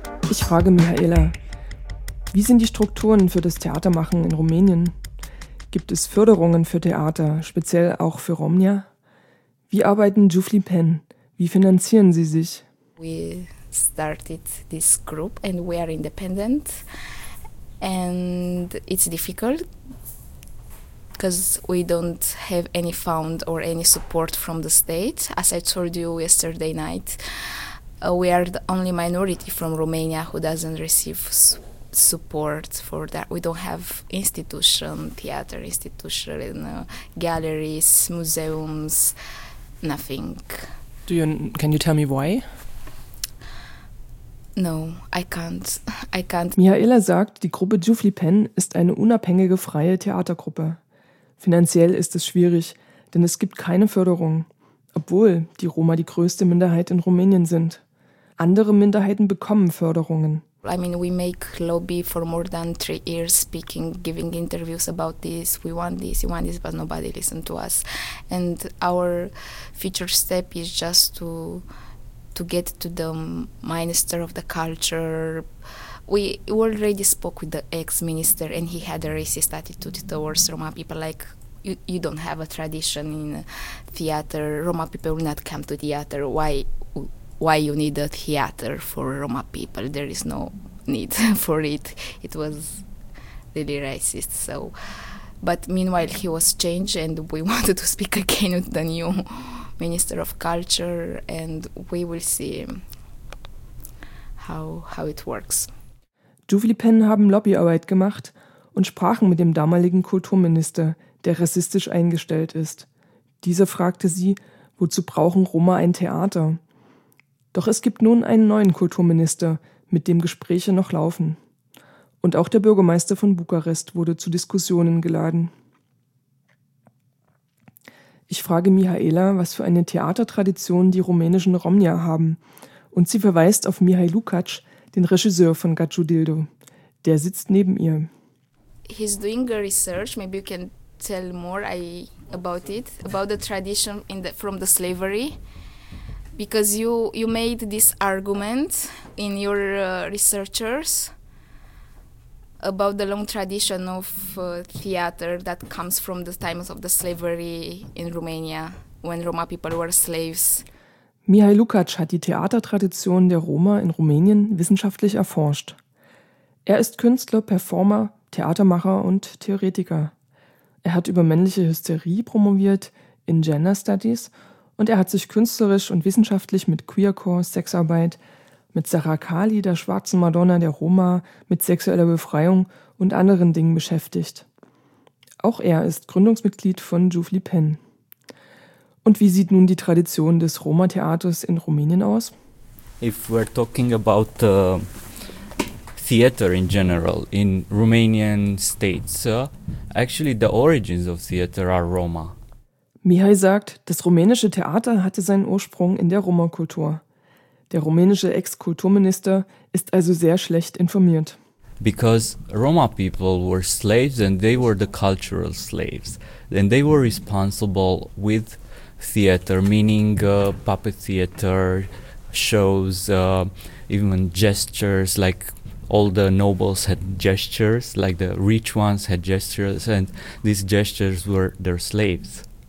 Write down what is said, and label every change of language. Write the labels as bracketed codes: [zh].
[de] Ich frage Michaela, wie sind die Strukturen für das Theatermachen in Rumänien? Gibt es Förderungen für Theater, speziell auch für Romnia? Wie arbeiten Jufli Pen? Wie finanzieren sie sich? [en] We started this group and we are independent and it's difficult because we don't have any fund or any support from the state. As I told you yesterday night, we are the only minority from Romania who doesn't receive support for that. We don't have institution, theater institution, galleries, museums, nothing. Can you tell me why? No, I can't. [de] Michaela sagt, die Gruppe Jufli Pen ist eine unabhängige freie Theatergruppe. Finanziell ist es schwierig, denn es gibt keine Förderung, obwohl die Roma die größte Minderheit in Rumänien sind. Andere Minderheiten bekommen Förderungen. [en] I mean, we make lobby for more than 3 years, speaking, giving interviews about this. We want this, but nobody listens to us. And our future step is just to get to the minister of the culture. We already spoke with the ex-minister, and he had a racist attitude towards Roma people, like, you don't have a tradition in theater. Roma people will not come to theater. Why you need a theater for Roma people? There is no need for it. It was really racist. So, but meanwhile, he was changed and we wanted to speak again with the new Minister of Culture and we will see how it works. [de] Jufli Pen haben Lobbyarbeit gemacht und sprachen mit dem damaligen Kulturminister, der rassistisch eingestellt ist. Dieser fragte sie, wozu brauchen Roma ein Theater? Doch es gibt nun einen neuen Kulturminister, mit dem Gespräche noch laufen. Und auch der Bürgermeister von Bukarest wurde zu Diskussionen geladen. Ich frage Mihaela, was für eine Theatertradition die rumänischen Romnia haben. Und sie verweist auf Mihai Lukács, den Regisseur von Gaciu Dildo. Der sitzt neben ihr. [en] He's doing a research, maybe you can tell more about it, about the tradition in the, from the slavery. Because you made this argument in your researchers about the long tradition of theater that comes from the times of the slavery in Romania, when Roma people were slaves. [de] Mihai Lukács hat die Theatertradition der Roma in Rumänien wissenschaftlich erforscht. Er ist Künstler, Performer, Theatermacher und Theoretiker. Er hat über männliche Hysterie promoviert in Gender Studies und er hat sich künstlerisch und wissenschaftlich mit Queercore, Sexarbeit, mit Sarah Kali, der schwarzen Madonna der Roma, mit sexueller Befreiung und anderen Dingen beschäftigt. Auch er ist Gründungsmitglied von Jufli Pen. Und wie sieht nun die Tradition des Roma-Theaters in Rumänien aus? [en] If we're talking about theater in general in Romanian states, actually the origins of theater are Roma. [de] Mihai sagt, das rumänische Theater hatte seinen Ursprung in der Roma-Kultur. Der rumänische Ex-Kulturminister ist also sehr schlecht informiert. [en] Because Roma people were slaves and they were the cultural slaves. And they were responsible with theater, meaning puppet theater, shows, even gestures, like all the nobles had gestures, like the rich ones had gestures, and these gestures were their slaves.